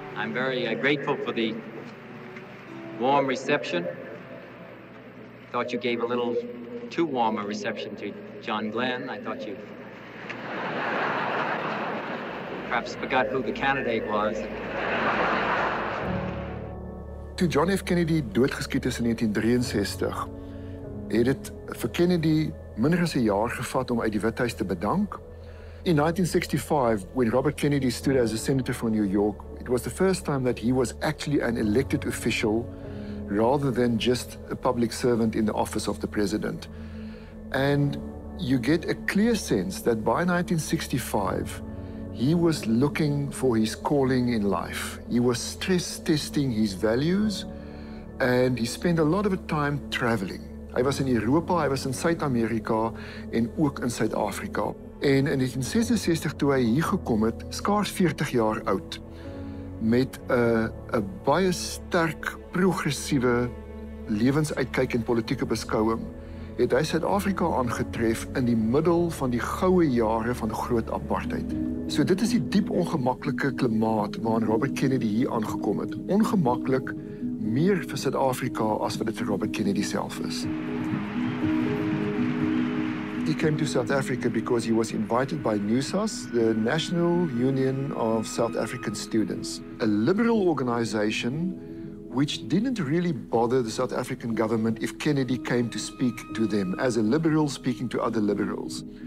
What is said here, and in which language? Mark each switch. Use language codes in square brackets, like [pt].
[en] I'm very grateful for the warm reception. Thought you gave a little too warm a reception to John Glenn. I thought you perhaps forgot who the candidate was. [af] Toe John F. Kennedy doodgeskiet is in 1963, het dit vir Kennedy minder as 'n jaar gevat om uit die Withuis te bedank. [en] In 1965, when Robert Kennedy stood as a senator for New York, it was the first time that he was actually an elected official rather than just a public servant in the office of the president. And you get a clear sense that by 1965, he was looking for his calling in life. He was stress testing his values, and he spent a lot of time traveling. [af] Hy was in Europa, hy was in Suid-Amerika en ook in Suid-Afrika. En in 1966 toe hy hier gekom het, skaars 40 jaar oud, met 'n baie sterk progressiewe lewensuitkyk en politieke beskouing, het hy Suid-Afrika aangetref in die middel van die goue jare van groot apartheid. So dit is die diep ongemaklike klimaat waarin Robert Kennedy hier aangekom het. Ongemaklik meer vir Suid-Afrika as wat dit vir Robert Kennedy self is. [en] He came to South Africa because he was invited by NUSAS, the National Union of South African Students, a liberal organization which didn't really bother the South African government if Kennedy came to speak to them as a liberal speaking to other liberals.